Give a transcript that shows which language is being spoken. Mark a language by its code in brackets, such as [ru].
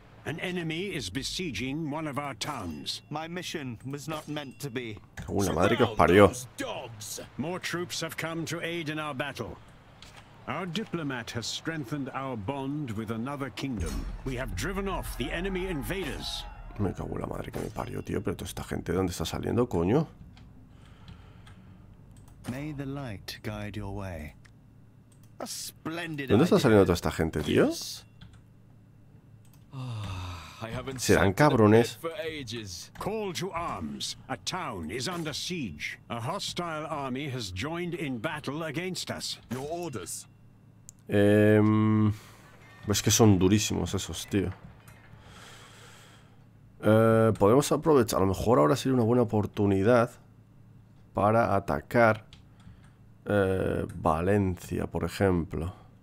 [en] An enemy is besieging one of our towns. My mission was not meant to be. [es] La madre que os parió. [en] More troops have come to aid in our battle. Our diplomat has strengthened our bond with another kingdom. We have driven off the enemy invaders. [es] Me cago en la madre que me parió, tío, pero toda esta gente, ¿de dónde está saliendo, coño? [en] May the light guide your way. A splendid. [es] ¿Dónde está saliendo toda esta gente, tío? Serán cabrones. [en] Call to arms. A town is under siege. A hostile army has joined in battle against us. Your orders. [es] Es que son durísimos esos, tío. Podemos aprovechar. A lo mejor ahora sería una buena oportunidad para atacar Valencia, por ejemplo.